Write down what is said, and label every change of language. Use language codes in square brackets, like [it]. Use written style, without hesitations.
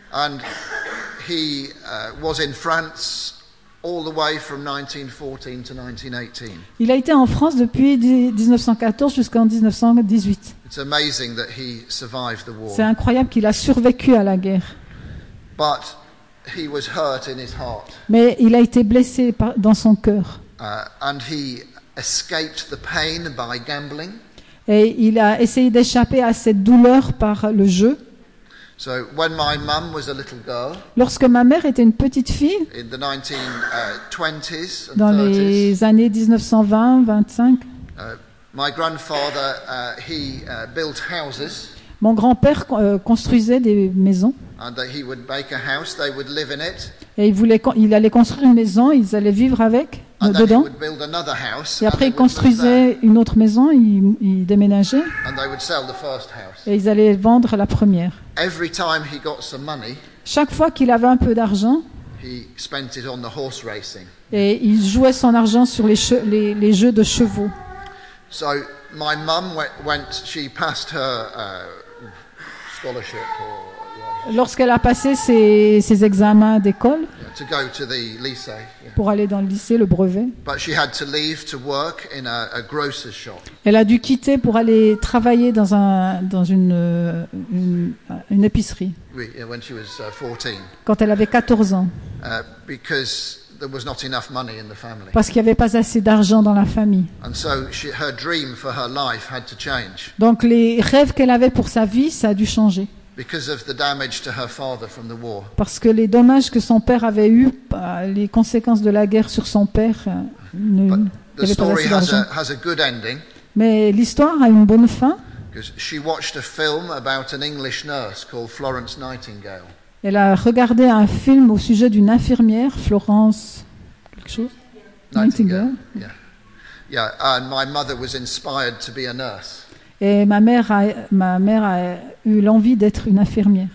[en] And he was in France all the way from 1914 to 1918. [fr] Il a été en France depuis 1914 jusqu'en 1918. [en] It's amazing that he survived the war. [fr] C'est incroyable qu'il a survécu à la guerre. [en] But He was hurt in his heart. [fr] Mais il a été blessé dans son cœur. [en] And he escaped the pain by gambling. [fr] Et il a essayé d'échapper à cette douleur par le jeu. [en] So when my mom was a little girl, [fr] lorsque ma mère était une petite fille, [en] in the 1920s and [fr] dans [en] 30s, [fr] les années 1920-25, [en] my grandfather, built houses. [fr] Mon grand-père construisait des maisons. [en] And that he would make a house, they would live in it. [fr] Et il allait construire une maison, ils allaient vivre avec, dedans. [en] He would build another house, [fr] et après, ils construisaient une autre maison, ils déménageaient. [en] And they would sell the first house. [fr] Et ils allaient vendre la première. [en] Every time he got some money, [fr] chaque fois qu'il avait un peu d'argent, [en] he spent it on the horse racing. [fr] Et il jouait son argent sur les jeux de chevaux. [en] So, my mum went, she passed her scholarship or, [fr] lorsqu'elle a passé ses examens d'école, [en] yeah, to go to the lycée, yeah, [fr] pour aller dans le lycée, le brevet. [en] But she had to leave to work in a grocer's shop. [fr] Elle a dû quitter pour aller travailler dans une épicerie. [en] Oui, yeah, when she was 14. [fr] Quand elle avait 14 ans. [en] Because there was not enough money in the family. [fr] Parce qu'il n'y avait pas assez d'argent dans la famille. [en] And so her dream for her life had to change. [fr] Donc les rêves qu'elle avait pour sa vie, ça a dû changer. [en] Because of the damage to her father from the war. [fr] Parce que les dommages que son père avait eus, les conséquences de la guerre sur son père, ne [en] But the avait story [fr] pas assez d'argent. [en] Has a good ending. [fr] Mais l'histoire a une bonne fin. [en] Because she watched a film about an English nurse called Florence Nightingale. [fr] Elle a regardé un film au sujet d'une infirmière, Florence, quelque chose, [en] Nightingale. Yeah, yeah. And my mother was inspired to be a nurse. [fr] Et ma mère a eu l'envie d'être une infirmière,